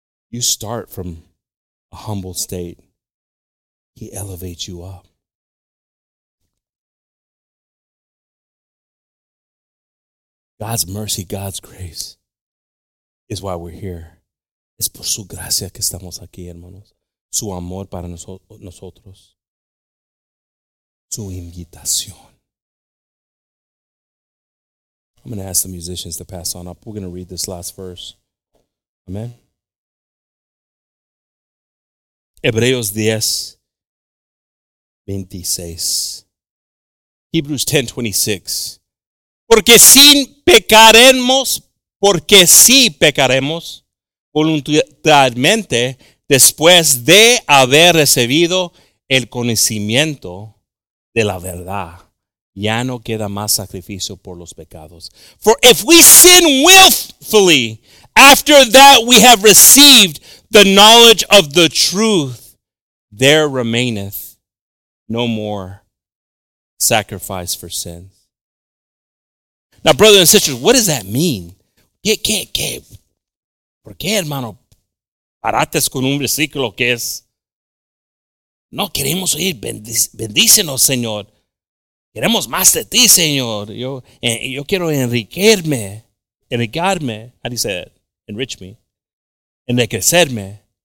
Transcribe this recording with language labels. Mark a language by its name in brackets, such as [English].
[English] You start from a humble state. He elevates you up. God's mercy, God's grace is why we're here. [Spanish] Es por su gracia que estamos aquí, hermanos. Su amor para nosotros. Su invitación. [English] I'm going to ask the musicians to pass on up. We're going to read this last verse. Amen. [Spanish] Hebreos 10:26. [English] Hebrews 10:26. [Spanish] Porque si pecaremos, voluntariamente después de haber recibido el conocimiento de la verdad, ya no queda más sacrificio por los pecados. [English] For if we sin willfully, after that we have received the knowledge of the truth, there remaineth no more sacrifice for sins. Now, brothers and sisters, what does that mean? [Spanish] ¿Por qué, hermano, paraste con un versículo que es? No queremos oír, bendícenos, Señor. Queremos más de ti, Señor. Yo quiero enriquecerme. [English] Enriquecerme. How do you say that? Enrich me. Enriquecerme.